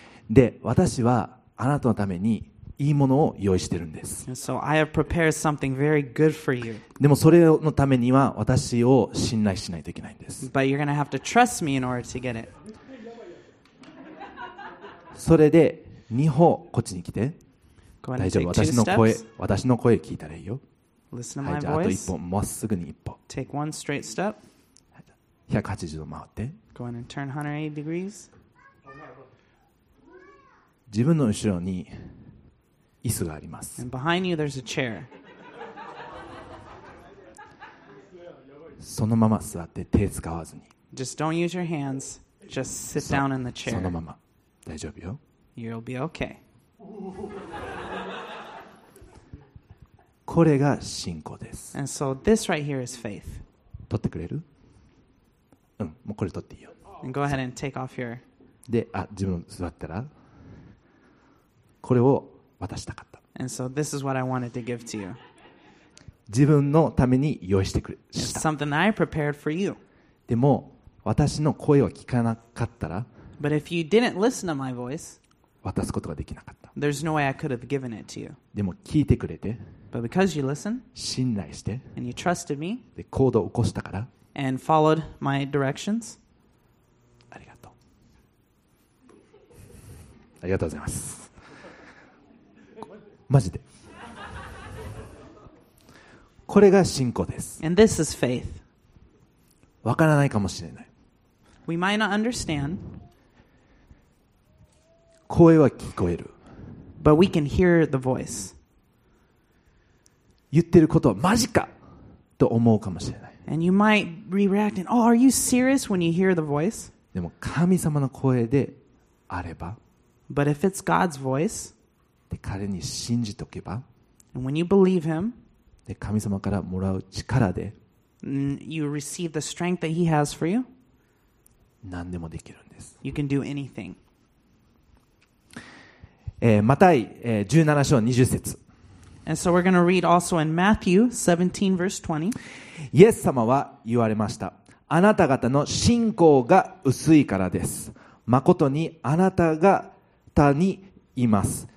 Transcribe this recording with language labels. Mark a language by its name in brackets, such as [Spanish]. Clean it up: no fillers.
[Japanese] で私はあなたのためにいいものを用意してるんです。 [English] So I have prepared something very good for you. [Japanese] でもそれのためには私を信頼しないといけないんです。 [English] But you're gonna have to trust me in order to get it. [Japanese] それで。 2歩こっちに来て大丈夫私の声聞いたらいいよ、はい、じゃああと1歩まっすぐに1歩 [English] Take one straight step. [Japanese] 180度回って [English] Go ahead and turn 180 degrees. [Japanese] 自分の後ろに椅子があります [English] And behind you there's a chair. [Japanese] そのまま座って手使わずに [English] Just don't use your hands. Just sit down in the chair. [Japanese] そのまま大丈夫よ [English] You'll be okay. [Japanese] これが信仰です。 [English] And so this right here is faith. [Japanese] 取ってくれる？うん、もうこれ取っていいよ。 [English] And go ahead and take off your. [Japanese] で、あ、自分座ったら、これを渡したかった。 [English] And so this is what I wanted to give to you. [Japanese] 自分のために用意してくれました。 [English] It's something I prepared for you. [Japanese] でも私の声を聞かなかったら、 [English] But if you didn't listen to my voice. [Japanese] 渡すことができなかった。 [English] There's no way I could have given it to you. [Japanese] でも聞いてくれて、 [English] But because you listened, [Japanese] 信頼して、 [English] and you trusted me, [Japanese] で行動を起こしたから、 [English] and followed my directions. [Japanese] ありがとう。ありがとうございます。マジで。これが信仰です。 [English] And this is faith. [Japanese] わからないかもしれない。 [English] We might not understand. [Japanese] 声は聞こえる。 [English] But we can hear the voice. [Japanese] 言ってることはマジかと思うかもしれない。 [English] And you might be reacting, oh, are you serious when you hear the voice? [Japanese] でも神様の声であれば。 [English] But if it's God's voice. [Japanese] で彼に信じとけば。 [English] And when you believe him. [Japanese] で神様からもらう力で。 [English] You receive the strength that he has for you. [Japanese] 何でもできるんです。 [English] You can do anything. [Japanese] マタイ、17章20節。 [English] And so we're going to read also in Matthew 17 verse 20. [Japanese] イエス様は言われました。あなた方の信仰が薄いからです。まことにあなた方に言います。